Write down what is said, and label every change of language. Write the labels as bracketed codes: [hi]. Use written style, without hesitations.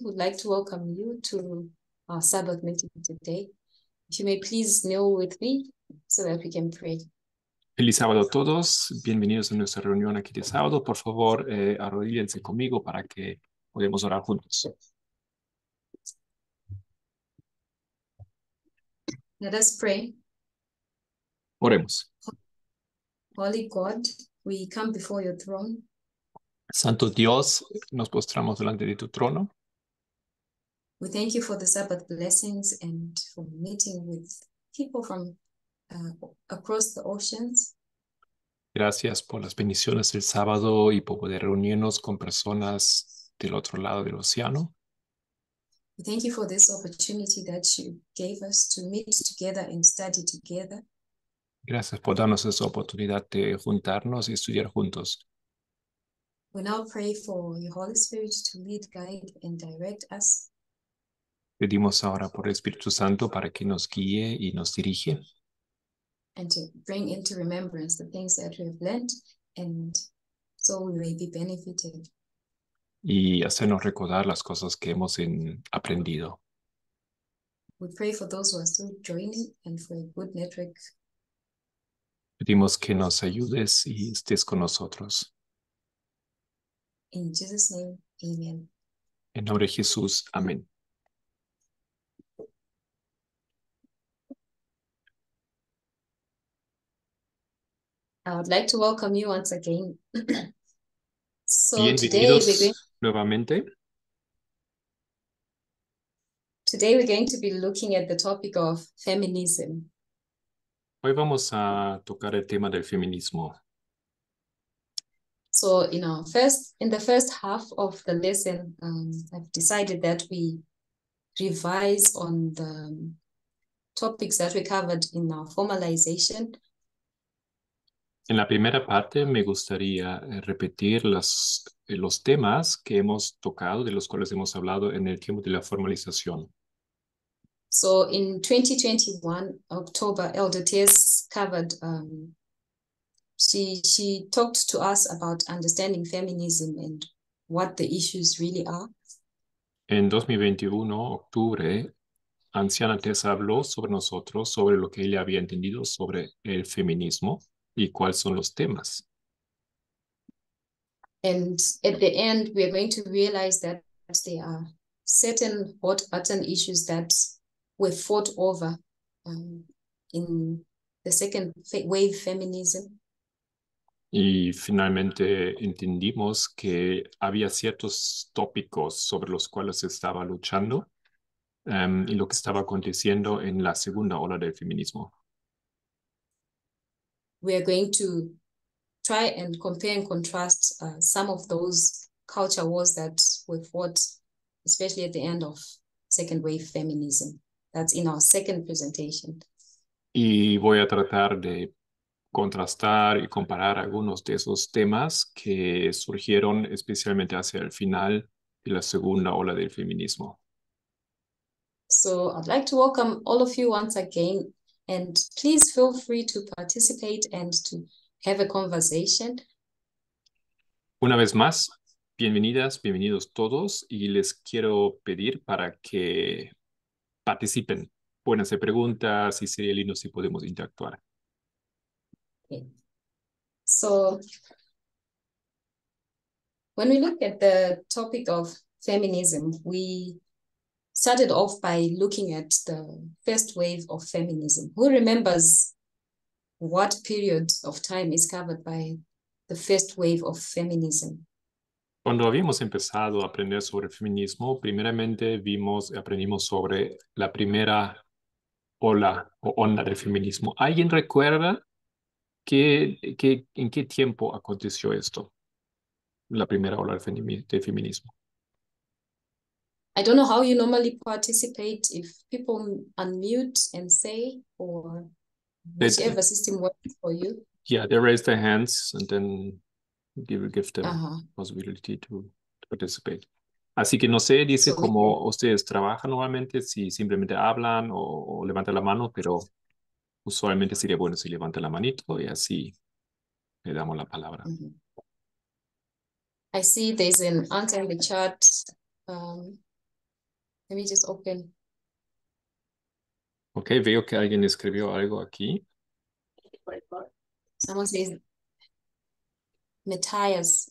[en] Would like to welcome you to our Sabbath meeting today. If you may please kneel with me so that we can pray. [es] Feliz sábado a todos. Bienvenidos a nuestra reunión aquí de sábado. Por favor, arrodíllense conmigo para que podamos orar juntos. [en] Let us pray. [es] Oremos. [en] Holy God, we come before your throne. [es] Santo Dios, nos postramos delante de tu trono. [en] We thank you for the Sabbath blessings and for meeting with people from across the oceans. [es] Gracias por las bendiciones del sábado y por poder reunirnos con personas del otro lado del océano. [en] We thank you for this opportunity that you gave us to meet together and study together. [es] Gracias por darnos esa oportunidad de juntarnos y estudiar juntos. [en] We now pray for your Holy Spirit to lead, guide, and direct us. [es] Pedimos ahora por el Espíritu Santo para que nos guíe y nos dirija. [en] And to bring into remembrance the things that we have learned, and so we may be benefited. [es] Y hacernos recordar las cosas que hemos aprendido. [en] We pray for those who are still joining and for a good network. [es] Pedimos que nos ayudes y estés con nosotros. [en] In Jesus' name, amen. [es] En nombre de Jesús, amén. [en] I would like to welcome you once again. So today we're going to be looking at the topic of feminism. [es] Hoy vamos a tocar el tema del feminismo. [en] So, you know, in the first half of the lesson, I've decided that we revise on the topics that we covered in our formalization. [es] En la primera parte me gustaría repetir los temas que hemos tocado, de los cuales hemos hablado en el tiempo de la formalización. [en] So in 2021, October, Elder Tess covered, she talked to us about understanding feminism and what the issues really are. [es] En 2021, octubre, Anciana Tess habló sobre nosotros, sobre lo que ella había entendido sobre el feminismo. ¿Y cuáles son los temas? [en] And at the end, we are going to realize that there are certain hot button issues that were fought over in the second wave feminism. [es] Y finalmente entendimos que había ciertos tópicos sobre los cuales se estaba luchando y lo que estaba aconteciendo en la segunda ola del feminismo. [en] We are going to try and compare and contrast some of those culture wars that were fought, especially at the end of second wave feminism. That's in our second presentation. [es] Y voy a tratar de contrastar y comparar algunos de esos temas que surgieron especialmente hacia el final de la segunda ola del feminismo. [en] So I'd like to welcome all of you once again. And please feel free to participate and to have a conversation. [es] Una vez más, bienvenidas, bienvenidos todos, y les quiero pedir para que participen. Pueden hacer preguntas y sería lindo si podemos interactuar. [en] Okay. So, when we look at the topic of feminism, we started off by looking at the first wave of feminism. Who remembers what period of time is covered by the first wave of feminism? [es] Cuando habíamos empezado a aprender sobre el feminismo, primeramente aprendimos sobre la primera ola o onda del feminismo. ¿Alguien recuerda en qué tiempo aconteció esto? La primera ola del feminismo. [en] I don't know how you normally participate, if people unmute and say, or whichever system works for you. Yeah, they raise their hands and then give them possibility to participate. [es] Así que no sé, dice, so cómo ustedes trabajan normalmente, si simplemente hablan o levantan la mano, pero usualmente sería bueno si levantan la manito y así le damos la palabra. Mm-hmm. [en] I see there's an answer in the chat. Let me just open. [es] Okay, veo que alguien escribió algo aquí. [en] Someone says Matthias.